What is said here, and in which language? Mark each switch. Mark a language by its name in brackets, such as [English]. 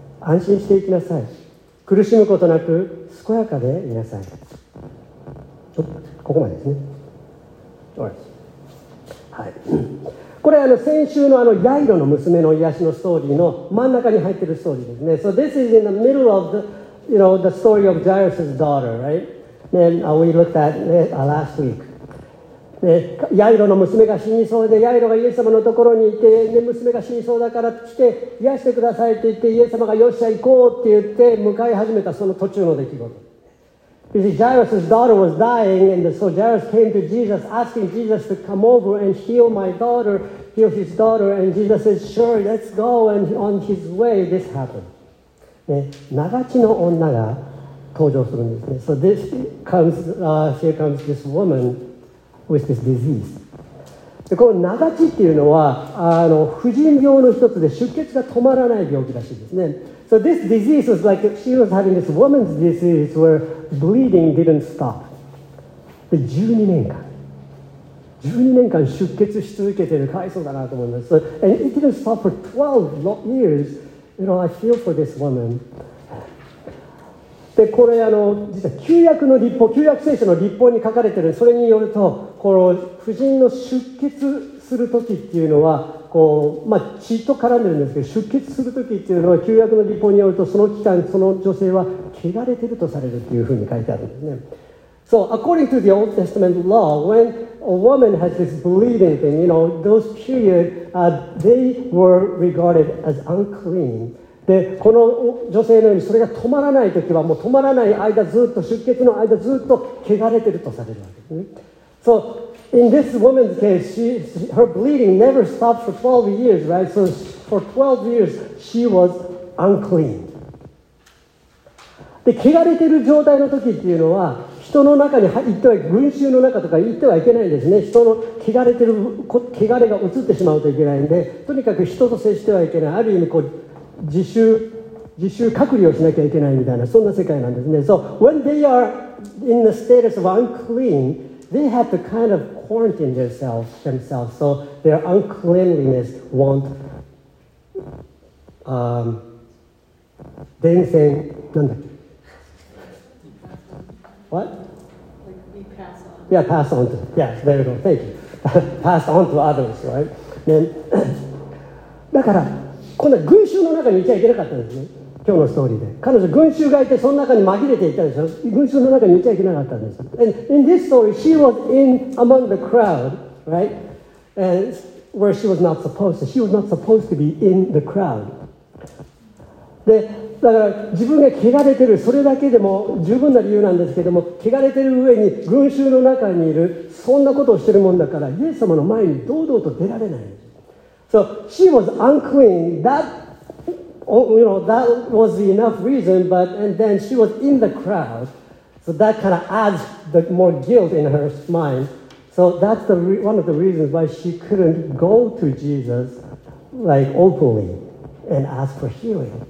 [Japanese] 安心していきなさい。苦しむことなく健やかでいなさい。ちょっとここまでですね、はい、これあの先週 の, あのヤイロの娘の癒しのストーリーの真ん中に入っているストーリーですね。 [English] So this is in the middle of the, you know, the story of Jairus' daughter, right? And we looked at it last week. [Japanese] ヤイロの娘が死にそうで、ヤイロがイエス様のところにいて、ね、娘が死にそうだから来て癒してくださいって言って、イエス様がよっしゃ行こうって言って迎え始めたその途中の出来事。 [English] You see, Jairus' daughter was dying, and so Jairus came to Jesus, asking Jesus to come over and heal my daughter, heal his daughter, and Jesus said, sure, let's go, and on his way, this happened. [Japanese] 長血の女が登場するんですね。 [English] So this comes, here comes this woman with this disease. [Japanese] でこの長血っていうのは、婦人病の一つで出血が止まらない病気らしいですね。 [English] So this disease was like, she was having this woman's disease where bleeding didn't stop. [Japanese] で12年間出血し続けてる、かわいそうだなと思います。 [English] And it didn't stop for 12 years. You know, I feel for this woman. [Japanese] で、これ実は旧約の立法、旧約聖書の立法に書かれてる、それによると、この婦人の出血するときっていうのは、こうまあ、血と絡んでるんですけど、出血するときっていうのは旧約の律法によると、その期間その女性は汚れてるとされるっていうふうに書いてあるんですね。 [English] So according to the Old Testament law, when a woman has this bleeding thing, you know, those period, they were regarded as unclean. [Japanese] でこの女性のようにそれが止まらないときは、もう止まらない間ずっと、出血の間ずっと汚れてるとされるわけですね。 [English] SoIn this woman's case, her bleeding never stopped for 12 years, right? So for 12 years, she was unclean. [Japanese] で、汚れてる状態の時っていうのは、人の中に行っては、群衆の中とか行ってはいけないんですね。人の汚れてる、汚れが移ってしまうといけないんで、とにかく人と接してはいけない。ある意味、こう、自習隔離をしなきゃいけないみたいな、そんな世界なんですね。 [English] So when they are in the status of unclean,They have to kind of quarantine themselves, so their uncleanliness won't, [Japanese] 伝染、なんだっけ [English] What? Like we pass on. Yeah, pass on. Yes, there you go. Thank you. pass on to others, right? [Japanese] Then, だから、今度は群衆の中にいちゃいけなかったんですね。今日のストーリーで彼女群衆がいて、その中に紛れていたでしょ。群衆の中にいちゃいけなかったんです。 [English] And in this story, she was in among the crowd, right? And where she was not supposed to. She was not supposed to be in the crowd. [Japanese] で、だから自分が汚れてる、それだけでも十分な理由なんですけども、汚れてる上に群衆の中にいる、そんなことをしてるもんだから、イエス様の前に堂々と出られない。 [English] So she was unclean. ThatOh, you know, that was the enough reason, but, and then she was in the crowd, so that kind of adds the more guilt in her mind. So that's the one of the reasons why she couldn't go to Jesus, like, openly, and ask for healing.